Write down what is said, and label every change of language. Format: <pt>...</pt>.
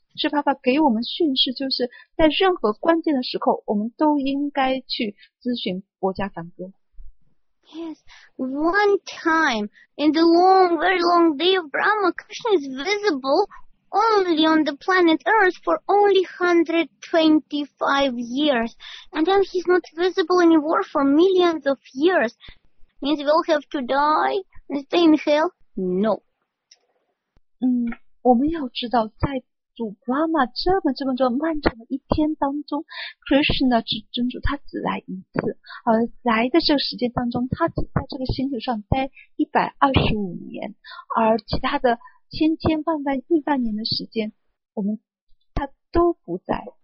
<zh>释迦牟尼给我们训示，就是在任何关键的时候，我们都应该去咨询薄伽梵歌。</zh> <en>Yes, one time in the long, very long day of Brahma, Krishna is visible only on the planet Earth for only 125 years, and then he's not visible anymore for millions of years. Means we all have to die and stay in hell. No.</en> <zh>我们要知道在主 Brahma 这么漫长的一天当中， Krishna 真主他只来一次，而来的这个时间当中他只在这个星球上待125年，而其他的千千万万亿万年的时间我们他都不在。</zh>